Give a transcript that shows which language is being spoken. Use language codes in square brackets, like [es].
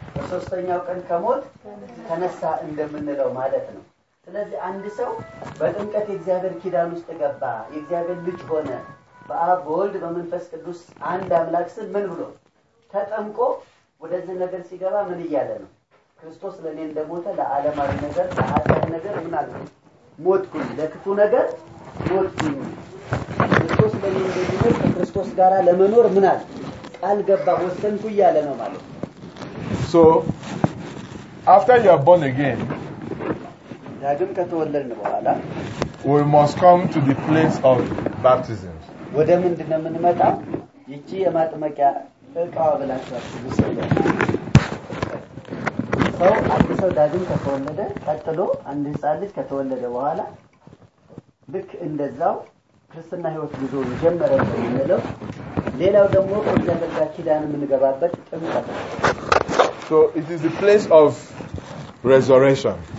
[am] ሶስተኛው ቀን ከሞት ተነሳ እንደምንለው ማለት ነው። ስለዚህ አንድ ሰው በጥምቀት እግዚአብሔር ኪዳን ውስጥ ገባ፣ እግዚአብሔር ልጅ ሆነ፣ በአብ ወልድ በመንፈስ ቅዱስ አንድ አምላክ ስም ምን ብሎ ተጠምቆ ወደዚህ ነገር ሲገባ ምን ይያለ ነው? ክርስቶስ ለኔ እንደሞተ ለዓለማዊ ነገር ለኃጢአት ነገር ምን አለ? ሞትኩኝ፣ ለክፉ ነገር ሞትኩኝ። ክርስቶስ ለኔ እንደሞተ ከክርስቶስ ጋራ ለመኖር ምን አለ? ቃል ገባ ወሰንኩ ይያለ ነው ማለት ነው። [en] So after you are born again, [am] ዳግም ከተወለድን በኋላ [en] we must come to the place of baptism. [am] ወደ ምንድን ነው የምንመጣ? ይቺ የማጥመቂያ እቃው ብላችሁ ብትሰሙ። ሰው አንድ ዳግም ከተወለደ ቀጥሎ አንድ ህፃን ልጅ ከተወለደ በኋላ ልክ እንደዛው ክርስትና ህይወት ጉዞ ጀመረ እንደሚለው ሌላው ደግሞ ከእግዚአብሔር ኪዳን የምንገባበት ጥምቀት ነው። [en] So it is the place of resurrection.